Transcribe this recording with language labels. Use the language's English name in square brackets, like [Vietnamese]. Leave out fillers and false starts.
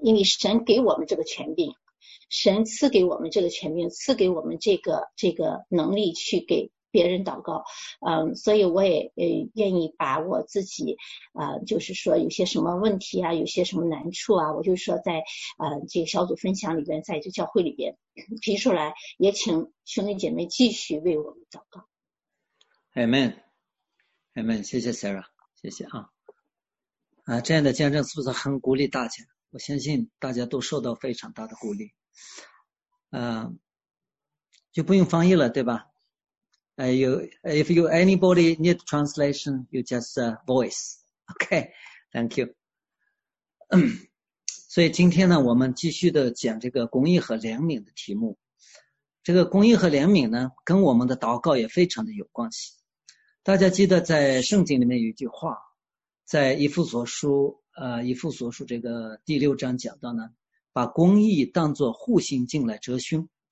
[Chinese] 因为神给我们这个权柄，神赐给我们这个权柄，赐给我们这个能力去给别人祷告，所以我也愿意把我自己，就是说有些什么问题啊，有些什么难处啊，我就说在这个小组分享里边，在这教会里边提出来，也请兄弟姐妹继续为我们祷告。 Amen，Amen， 谢谢 Sarah， 谢谢啊，这样的见证是不是很鼓励大家？我相信大家都受到非常大的鼓励，就不用翻译了，对吧？ [English] If you anybody need translation, you just voice. Okay, thank you. [Chinese] 所以今天呢，我们继续的讲这个公义和怜悯的题目。这个公义和怜悯呢，跟我们的祷告也非常的有关系。大家记得在圣经里面有一句话，在以弗所书这个第六章讲到呢，把公义当作护心镜来遮胸。